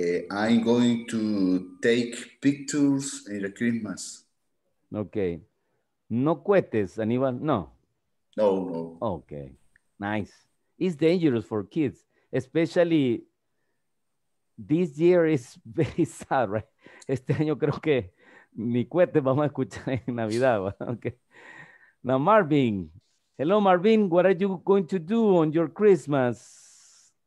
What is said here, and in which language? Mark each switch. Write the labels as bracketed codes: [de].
[en] I'm going to take pictures in the Christmas. [es] Okay. No cohetes, Aníbal, no? No. [en] Okay, nice. It's dangerous for kids, especially this year is very sad, right? [es] Este año creo que ni cohetes vamos a escuchar en Navidad, okay. [en] Now, Marvin. Hello, Marvin. What are you going to do on your Christmas?